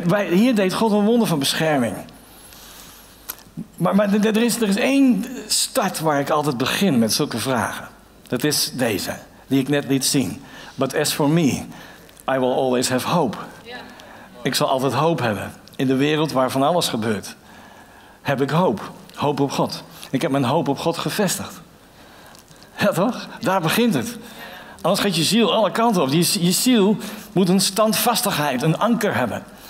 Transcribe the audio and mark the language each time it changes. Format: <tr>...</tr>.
<nl>Hier deed God een wonder van bescherming. Maar er is één start waar ik altijd begin met zulke vragen. Dat is deze, die ik net liet zien.</nl> <en>But as for me, I will always have hope. Yeah.</en> <nl>Ik zal altijd hoop hebben. In de wereld waar van alles gebeurt, heb ik hoop. Hoop op God. Ik heb mijn hoop op God gevestigd. Ja, toch? Daar begint het. Anders gaat je ziel alle kanten op. Je ziel moet een standvastigheid, een anker hebben.</nl>